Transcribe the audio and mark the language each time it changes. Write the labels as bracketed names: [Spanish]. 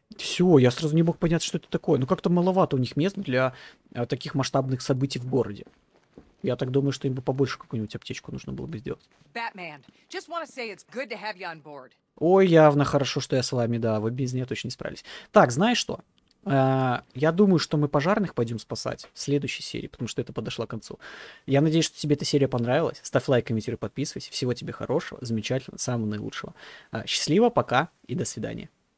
[Russian] Все, я сразу не мог понять, что это такое. Ну как-то маловато у них мест для таких масштабных событий в городе. Я так думаю, что им бы побольше какую-нибудь аптечку нужно было бы сделать. [English] Batman, just want to say it's good to have you on board. [Russian] Ой, явно хорошо, что я с вами, да, вы без нее точно не справились. Так, знаешь что? Я думаю, что мы пожарных пойдем спасать в следующей серии, потому что это подошло к концу. Я надеюсь, что тебе эта серия понравилась. Ставь лайк, комментируй, подписывайся. Всего тебе хорошего, замечательного, самого наилучшего. Счастливо, пока и до свидания.